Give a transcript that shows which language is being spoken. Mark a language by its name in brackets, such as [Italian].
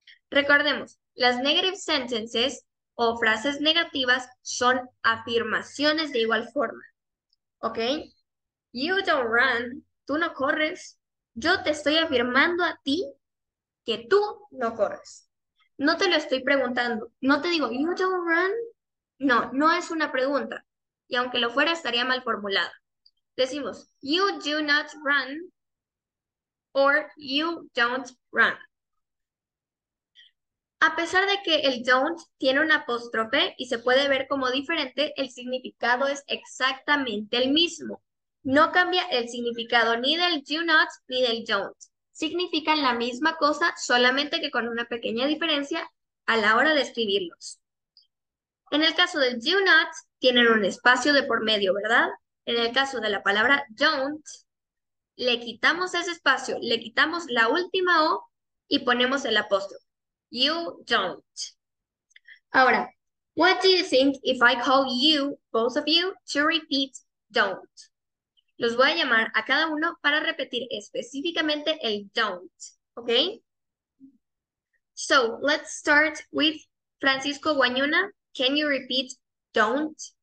[Spanish] Recordemos, las [English] negative sentences [Spanish] o frases negativas son afirmaciones de igual forma. ¿Ok? [English] You don't run, [Spanish] tú no corres. Yo te estoy afirmando a ti que tú no corres. No te lo estoy preguntando. No te digo, [English] you don't run. [Spanish] No, no es una pregunta. Y aunque lo fuera, estaría mal formulada. Decimos, [English] you do not run or you don't run. [Spanish] A pesar de que el don't tiene un apóstrofe y se puede ver como diferente, el significado es exactamente el mismo. No cambia el significado ni del do not ni del don't. Significan la misma cosa, solamente que con una pequeña diferencia a la hora de escribirlos. En el caso del do not, tienen un espacio de por medio, ¿verdad? En el caso de la palabra don't, le quitamos ese espacio, le quitamos la última O y ponemos el apóstrofe. [English] You don't. Ahora, what do you think if I call you, both of you, to repeat don't? [Spanish] Los voy a llamar a cada uno para repetir específicamente el don't, ¿ok? [English] So, let's start with Francisco Guañuna. Can you repeat don't?